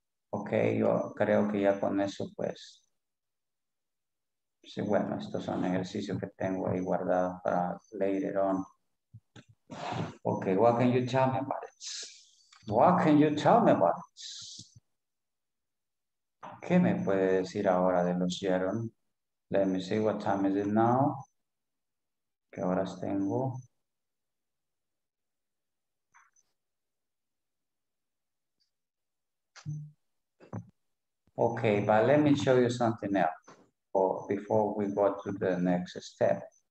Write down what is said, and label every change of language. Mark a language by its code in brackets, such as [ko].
[es] Ok, yo creo que ya con eso, pues. Sí, bueno, estos son ejercicios que tengo ahí guardados para [en] later on. Ok, what can you tell me about it? What can you tell me about it? [es] ¿Qué me puede decir ahora de los gerunds? [en] Let me see what time is it now. [es] ¿Qué horas tengo? [en] Okay, but let me show you something else before we go to the next step.